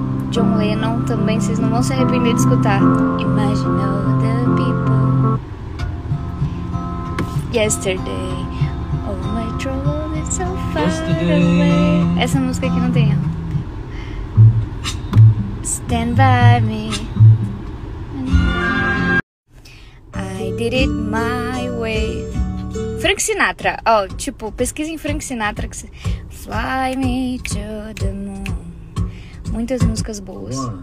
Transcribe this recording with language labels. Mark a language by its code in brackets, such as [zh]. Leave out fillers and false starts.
[pt] John Lennon também, vocês não vão se arrepender de escutar. [en] Imagine all the people. Yesterday, all my troubles so far away. [pt] Essa música aqui não tem. Ó. [en] Stand by me. I did it my way. [pt] Frank Sinatra, ó, oh, tipo, pesquisa em Frank Sinatra que cê... [en] Fly me to the moon. [pt] Muitas músicas boas.